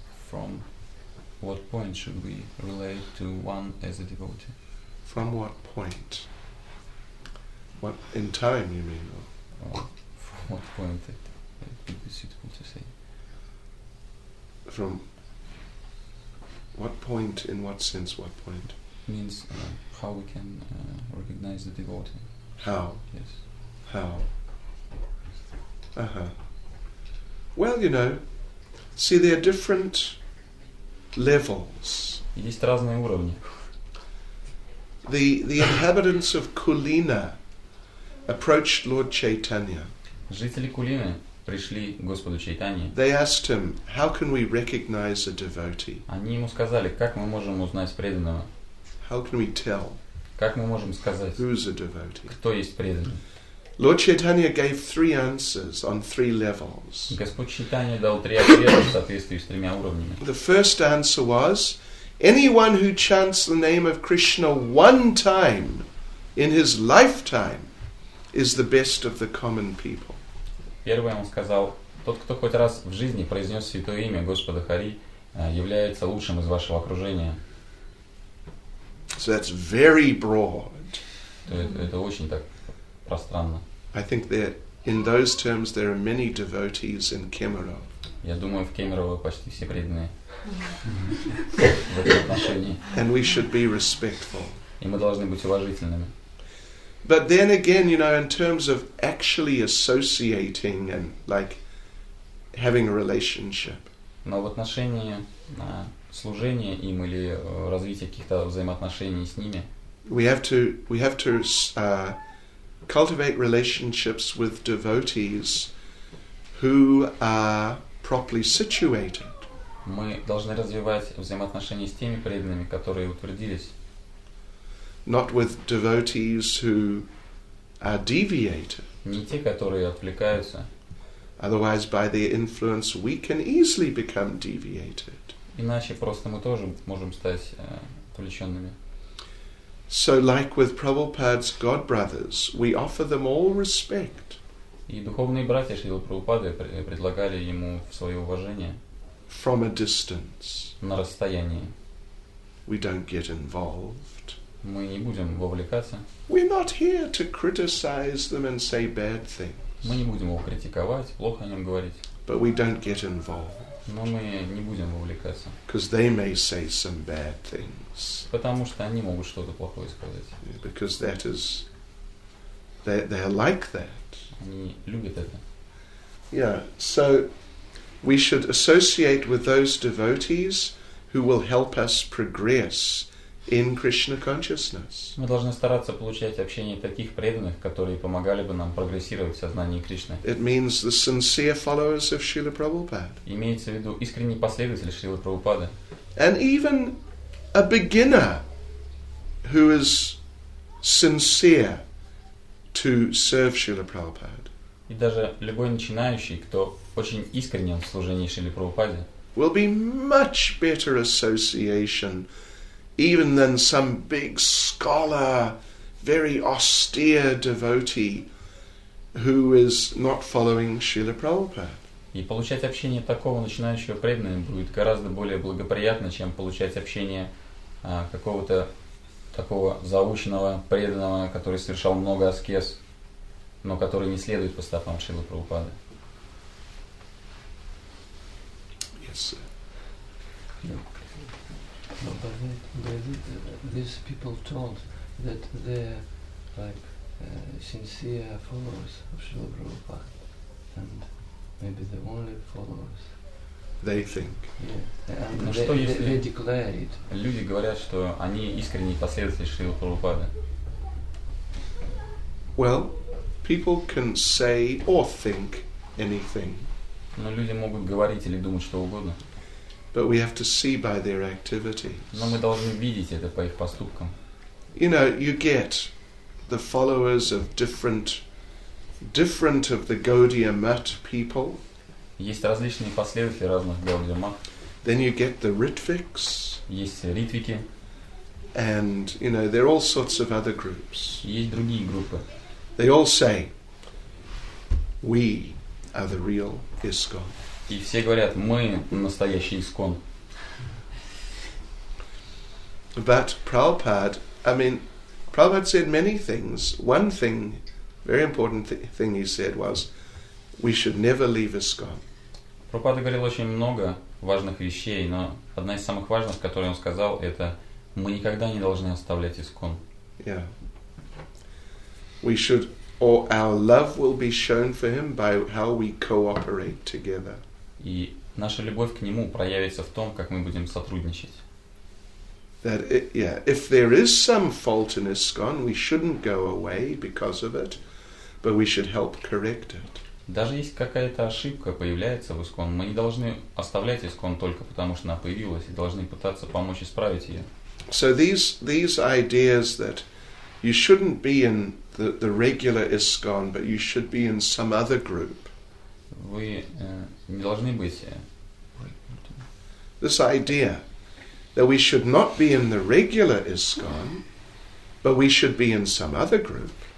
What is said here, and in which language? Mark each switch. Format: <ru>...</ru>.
<en>From what point should we relate to one as a devotee? From what point? What in time, you mean? From what point it would be suitable to say? From what point, in what sense, what point? Means how we can recognize the devotee. How? Yes. How? Uh-huh. Well, you know, see, there are different levels.</en> <ru>Есть разные уровни.</ru> <en>The inhabitants of Kulina approached Lord Chaitanya.</en> <ru>Жители Кулины пришли к Господу Чайтанье.</ru> <en>They asked him, how can we recognize a devotee?</en> <ru>Они ему сказали, как мы можем узнать преданного?</ru> <en>How can we tell?</en> <ru>Как мы можем сказать?</ru> <en>Who's a devotee?</en> <ru>Кто есть преданный?</ru> <en>Lord Chaitanya gave three answers on three levels.</en> <ru>Господь Чайтанья дал три ответа в соответствии с тремя уровнями.</ru> <en>The first answer was, anyone who chants the name of Krishna one time in his lifetime is the best of the common people.</en> <ru>Первое он сказал, тот, кто хоть раз в жизни произнес святое имя Господа Хари, является лучшим из вашего окружения.</ru> <en>So that's very broad.</en> <ru>Это очень так пространно.</ru> <en>I think that in those terms there are many devotees in Kemerovo.</en> <ru>Я думаю, в Кемерово почти все преданные. В этом отношении.</ru> <en>And we should be respectful.</en> <ru>И мы должны быть уважительными.</ru> <en>But then again, you know, in terms of actually associating and like having a relationship.</en> <ru>Но в отношении служения им или развития каких-то взаимоотношений с ними.</ru> <en>We have to cultivate relationships with devotees who are properly situated.</en> <ru>Мы должны развивать взаимоотношения с теми преданными, которые утвердились.</ru> <en>Not with devotees who are deviated.</en> <ru>Не те, которые отвлекаются.</ru> <en>Otherwise, by their influence, we can easily become deviated.</en> <ru>Иначе просто мы тоже можем стать отвлеченными.</ru> <en>So, like with Prabhupada's god brothers, we offer them all respect.</en> <ru>И духовные братья Шрилы Прабхупады предлагали ему свое уважение.</ru> <en>From a distance.</en> <ru>На расстоянии.</ru> <en>We don't get involved.</en> <ru>Мы не будем вовлекаться.</ru> <en>We're not here to criticize them and say bad things.</en> <ru>Мы не будем его критиковать, плохо о нем говорить.</ru> <en>But we don't get involved.</en> <ru>Но мы не будем вовлекаться.</ru> <en>Because they may say some bad things.</en> <ru>Потому что они могут что-то плохое сказать.</ru> <en>Yeah, because that is, they are like that.</en> <ru>Они любят это.</ru> <en>Yeah, so we should associate with those devotees who will help us progress in Krishna consciousness.</en> <ru>Мы должны стараться получать общение таких преданных, которые помогали бы нам прогрессировать в сознании Кришны.</ru> <en>It means the sincere followers of Srila Prabhupada.</en> <ru>Имеется в виду искренние последователи Шрилы Прабхупады.</ru> <en>And even a beginner who is sincere to serve Srila Prabhupada.</en> <ru>И даже любой начинающий, кто очень искренен в служении Шриле Прабхупаде,</ru> <en>will be much better association even than some big scholar, very austere devotee who is not following Srila Prabhupada.</en> <ru>И получать общение такого начинающего преданного будет гораздо более благоприятно, чем получать общение какого-то такого заученного преданного, который совершал много аскез, но который не следует по стопам Шрилы Прабхупады.</ru> <en>Yes, sir. No, but these people told that they're like sincere followers of Srila Prabhupada, and maybe the only followers. they think. Yeah. And they declare it.</en> <ru>Люди говорят, что они искренние последователи Шрилы Прабхупады.</ru> <en>Well, people can say or think anything.</en> <ru>Но люди могут говорить или думать что угодно.</ru> <en>But we have to see by their activities.</en> <ru>Но мы должны видеть это по их поступкам.</ru> <en>You know, you get the followers of different of the Gaudiya Mutt people.</en> <ru>Есть различные последователи разных Gaudiya Mutt.</ru> <en>Then you get the Ritviks.</en> <ru>Есть Ритвики.</ru> <en>And you know, there are all sorts of other groups.</en> <ru>Есть другие группы.</ru> <en>They all say, "We are the real ISKCON."</en> <ru>И все говорят, мы настоящий ИСККОН.</ru> <en>But Prabhupada, I mean, Prabhupada said many things. One thing, very important thing he said was, we should never leave ISKCON.</en> <ru>Прабхупада говорил очень много важных вещей, но одна из самых важных, которую он сказал, это мы никогда не должны оставлять ИСККОН.</ru> <en>Yeah. We should, or our love will be shown for him by how we cooperate together.</en> <ru>И наша любовь к нему проявится в том, как мы будем сотрудничать.</ru> <en>That it, yeah, if there is some fault in ISKCON, we shouldn't go away because of it, but we should help correct it.</en> <ru>Даже если какая-то ошибка появляется в ИСККОН, мы не должны оставлять ИСККОН только потому, что она появилась, и должны пытаться помочь исправить ее.</ru> <en>So these ideas that you shouldn't be in the regular ISKCON, but you should be in some other group.</en> <ru>Вы не должны быть.</ru> <en>This idea that we should not be in the regular ISKCON, but we should be in some other group.</en>